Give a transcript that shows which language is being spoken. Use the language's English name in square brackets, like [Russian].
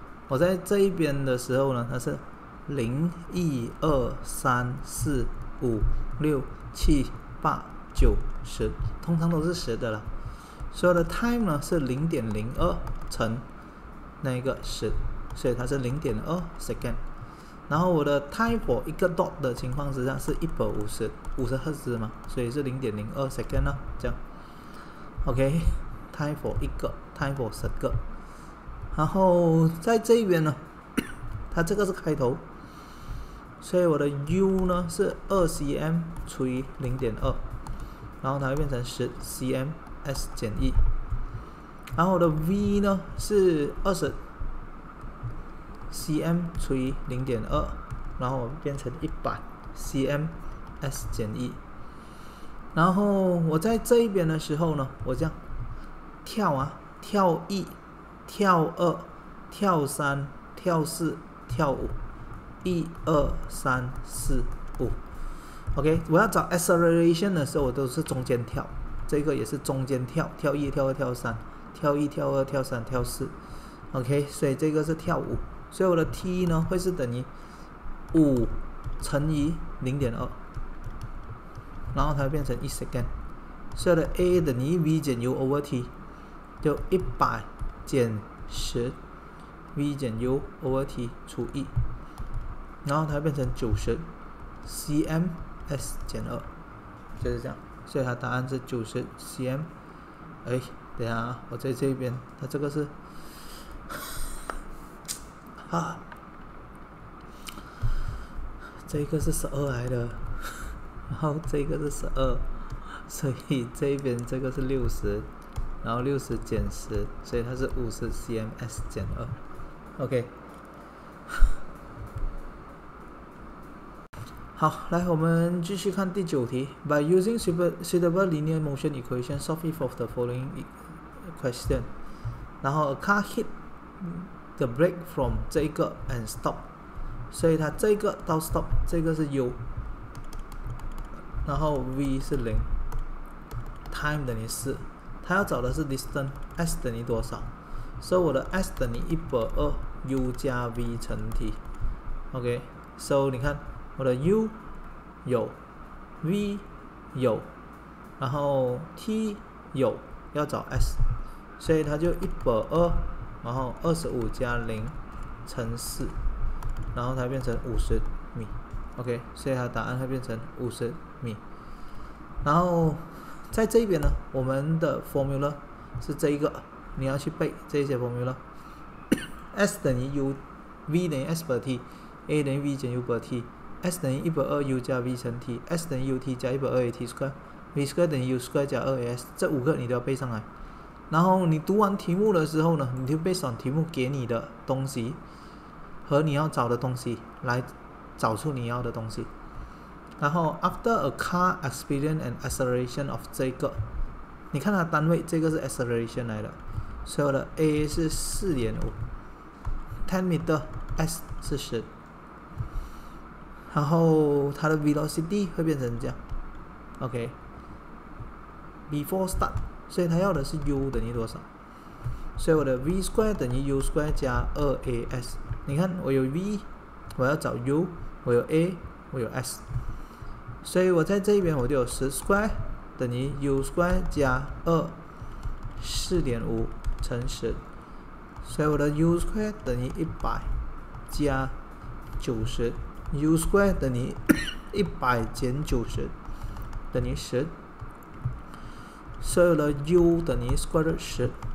[Chinese] 我在这一边的时候呢，它是0 1 2 3 4 5 6 7 8 9 10，通常都是10的了。所以的 time 呢是 0.02 乘那个10，所以它是 0.2 second。然后我的 time for 一个 dot 的情况之下是150赫兹嘛，所以是 0.02 second 了，这样。 OK， time for 一个， time for 10个。然后在这边呢，它这个是开头，所以我的 u 呢是 2cm 除以 0.2， 然后它会变成 10cm s 减 1。然后我的 v 呢是20cm 除以 0.2， 然后我变成 100cm s 减 1。然后我在这一边的时候呢，我这样跳啊，跳1跳2跳3跳4跳5，1 2 3 4 5。 OK， 我要找 acceleration 的时候我都是中间跳，这个也是中间跳，跳1跳2跳3跳1跳2跳3跳4。 OK， 所以这个是跳5，所以我的 T 呢会是等于5乘以 0.2， 然后它会变成1 second。所以我的 A 等于 V 减 U over T， 就100减10 V 减 U over T 除1，然后它变成90 cm s 减2，就是这样。所以它答案是90 cm。哎，等一下，我在这边，它这个是啊，这个是12来的，然后这个是12，所以这边这个是60，然后60减10，所以它是50 cm s 减2。 OK，好，来，我们继续看第九题。 [English] By using suitable linear motion equation, solve each of the following question. [Chinese] 然后 [English] a car hit the brake from [Chinese] 这一个 [English] and stop， [Chinese] 所以它这个到 stop 这个是 U， 然后 V 是0， time 等于4，它要找的是 distance， S 等于多少，所以我的 S 等于120 U 加 V 乘 T。 OK， so 你看我的 U 有 V 有，然后 T 有，要找 S， 所以它就120然后25加0乘4，然后它变成50米。 OK， 所以它答案会变成50米。然后在这边呢，我们的 formula 是这一个，你要去背这些 formula。 S 等于 U， V 等于 S per T， A 等于 V 减 U per TS 等于120 U 加 V 乘 T， S 等于 UT 加120 AT square， V square 等于 U square 加2AS， 这五个你都要背上来。然后你读完题目的时候呢，你就背上题目给你的东西和你要找的东西，来找出你要的东西。然后 [English] after a car experience an acceleration of [Chinese] 这个，你看它单位，这个是 acceleration 来的，所以我的 A 是 4.5 10m， S 是10，然后它的 velocity 会变成这样。 OK， [English] before start， [Chinese] 所以它要的是 U 等于多少，所以我的 V square 等于 U square 加 2AS。你看我有 V， 我要找 U， 我有 A， 我有 S， 所以我在这边我就有10 square 等于 U square 加2， 4.5 乘10，所以我的 U square 等于100加90，U square 等于100减90等于10，所以的 U 等于 square root 10。